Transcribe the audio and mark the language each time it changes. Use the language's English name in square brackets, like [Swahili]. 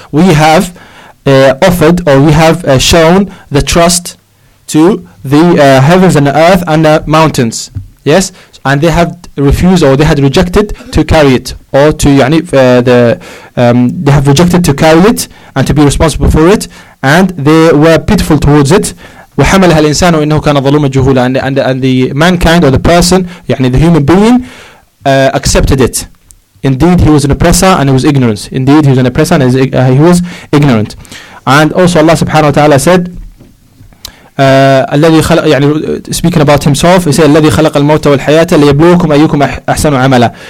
[English] We have offered, or we have shown the trust to the heavens and the earth and the mountains. Yes, and they have refused, or they had rejected to carry it, or to they have rejected to carry it and to be responsible for it, and they were pitiful towards it. [Arabic] وحملها الإنسان وإنه كان ظلوما جهولا. [English] And the mankind, or the person, يعني the human being, accepted it. Indeed, he was an oppressor and he was ignorant. Indeed, he was an oppressor and he was ignorant. And also Allah subhanahu wa ta'ala said, [Arabic] الذي خلق, [English] يعني speaking about himself, he said, [Arabic] الذي خلق الموت والحياة ليبلوكم أيكم أحسن عملا.